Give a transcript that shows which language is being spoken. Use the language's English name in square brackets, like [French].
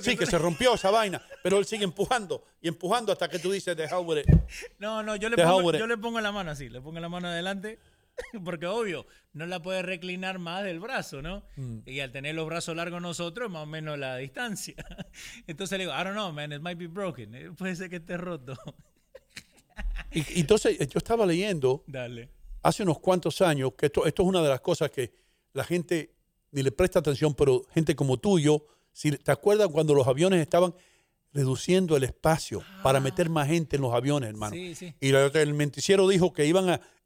[Spanish] Que se rompió esa vaina. Pero él sigue empujando y empujando hasta que tú dices, deja [English] over it. [Spanish] No, yo le pongo la mano así, le pongo la mano adelante. Porque obvio, no la puedes reclinar más del brazo, ¿no? Mm. Y al tener los brazos largos nosotros, más o menos la distancia. Entonces le digo, [English] I don't know, man, it might be broken. [Spanish] Puede ser que esté roto. Y entonces yo estaba leyendo Dale. hace unos cuantos años, que esto es una de las cosas que la gente ni le presta atención, pero gente como tú y yo, si te acuerdas cuando los aviones estaban reduciendo el espacio para meter más gente en los aviones, hermano. Sí, sí. Y el menticiero dijo que iban a...